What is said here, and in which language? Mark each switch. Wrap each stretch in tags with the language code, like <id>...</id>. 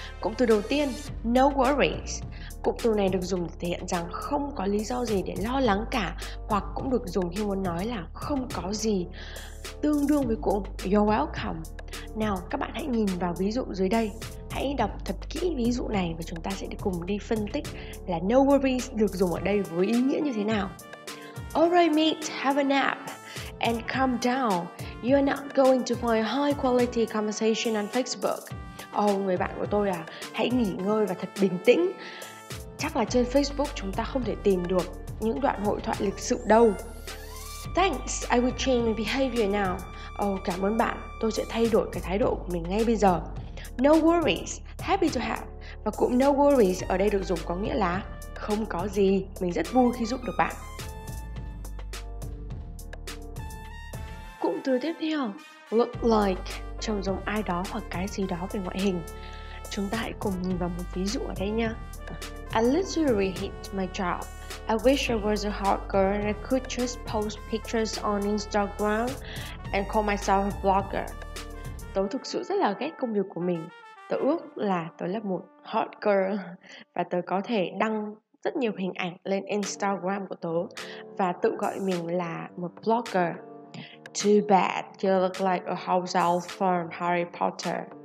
<vi>Cụm từ đầu tiên, no worries. Cụm từ này được dùng để thể hiện rằng không có lý do gì để lo lắng cả, hoặc cũng được dùng khi muốn nói là không có gì. Tương đương với cụm</vi> <en>you're welcome.</en> <vi>Nào, các bạn hãy nhìn vào ví dụ dưới đây. Hãy đọc thật kỹ ví dụ này và chúng ta sẽ cùng đi phân tích là no worries được dùng ở đây với ý nghĩa như thế nào.</vi> <en>Alright mate, have a nap and calm down. You are not going to find high quality conversation on Facebook.</en> <vi>Oh, người bạn của tôi à, hãy nghỉ ngơi và thật bình tĩnh. Chắc là trên Facebook chúng ta không thể tìm được những đoạn hội thoại lịch sự đâu.</vi> <en>Thanks, I will change my behavior now.</en> <vi>Oh, cảm ơn bạn, tôi sẽ thay đổi cái thái độ của mình ngay bây giờ.</vi> <en>No worries, happy to help.</en> <vi>Và cụm no worries ở đây được dùng có nghĩa là không có gì, mình rất vui khi giúp được bạn. Cụm từ tiếp theo, look like, trông giống ai đó hoặc cái gì đó về ngoại hình. Chúng ta hãy cùng nhìn vào một ví dụ ở đây nha.</vi> <en>I literally hate my job. I wish I was a hot girl and I could just post pictures on Instagram and call myself a blogger.</en> <vi>Tớ thực sự rất là ghét công việc của mình. Tớ ước là tớ là một hot girl và tớ có thể đăng rất nhiều hình ảnh lên Instagram của tớ và tự gọi mình là một blogger.</vi> <en>Too bad you look like a house elf from Harry Potter.</en>